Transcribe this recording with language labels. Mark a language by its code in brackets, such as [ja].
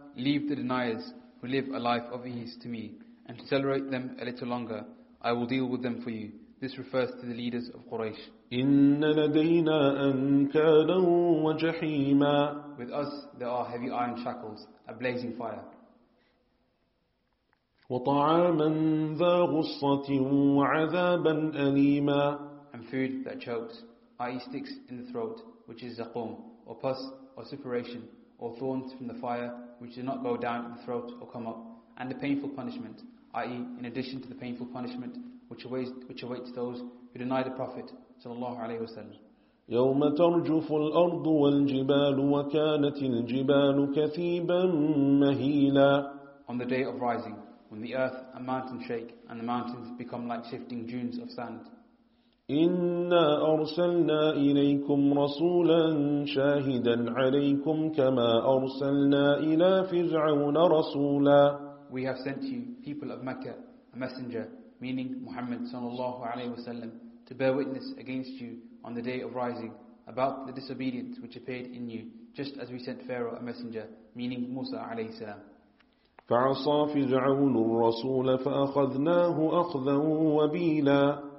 [en] Leave the deniers who live a life of ease to me, and accelerate them a little longer. I will deal with them for you. This refers to the leaders of Quraysh. [ar] إِنَّ لَدَيْنَا أَنْكَالًا وَجَحِيمًا. [en] With us there are heavy iron shackles, a blazing fire. [ar] وَطَعَامًا ذَا غُصَّةٍ وَعَذَابًا أَلِيمًا. [en] And food that chokes, i.e. sticks in the throat, which is zaqum, or pus, or suppuration, or thorns from the fire, which do not go down the throat or come up, and a painful punishment, i.e. in addition to the painful punishment which awaits those who deny the Prophet [ar] sallallahu alaihi wasallam. يوم ترجف الأرض والجبال وكانت الجبال كثيبا مهيلا. [en] On the day of rising, when the earth and mountain shake and the mountains become like shifting dunes of sand. [ar] إنا أرسلنا إليكم رسولا شاهدا عليكم كما أرسلنا إلى فرعون رسولا. [en] We have sent you, people of Mecca, a messenger, meaning Muhammad [ar] sallallahu alaihi wasallam, [en] to bear witness against you on the day of rising about the disobedience which appeared in you, just as we sent Pharaoh a messenger, meaning Musa [ar] alayhi salam. فَعَصَى فِرْعَوْنُ الرَّسُولَ فَأَخَذْنَاهُ أَخْذًا وَبِيلًا.